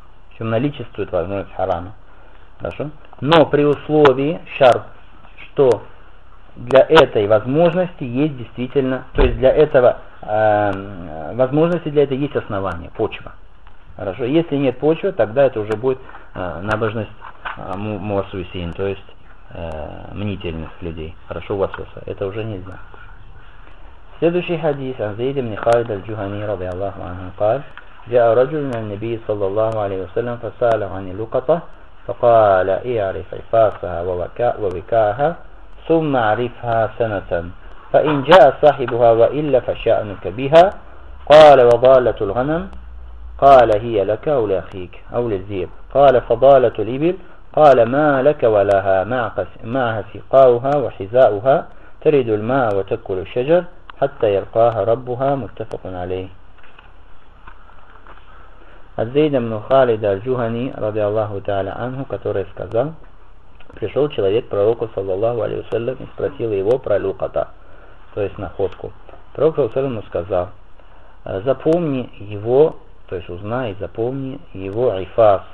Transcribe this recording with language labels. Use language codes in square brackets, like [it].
[ru] В чем наличествует возможность харама. Хорошо? Но при условии шарт, что для этой возможности есть действительно, то есть для этого возможности, для этого есть основание, почва. Хорошо. Если нет почвы, тогда это уже будет набожность муасусин, то есть мнительных людей. Хорошо, васуса. Это уже нельзя. Следующий хадис. [ar] Анзейд ибн Халид аль-Джухани радиаллаху анху قال: جاء رجل من النبي صلى الله عليه وسلم فسأله عن اللقطة فقال اعرف عفافها ووكاها ثم اعرفها سنة فإن جاء صاحبها وإلا فشأنك بها. قال: وضالة الغنم؟ قال: هي لك أو لأخيك أو للذئب. قال: فضالة الإبل؟ قال: ما لك ولها، معها سقاؤها وحذاؤها، ترد الماء وتأكل الشجر حتى يلقاها ربها. متفق عليه. [ru] الزيد بن خالد الجهني رضي الله تعالى عنه который сказал: пришел человек к пророку, саллаллаху алейхи ва саллям, и спросил его про люката, то есть находку. Пророк, саллаллаху алейхи ва саллям, сказал: запомни его, то есть узнай, запомни его айфас.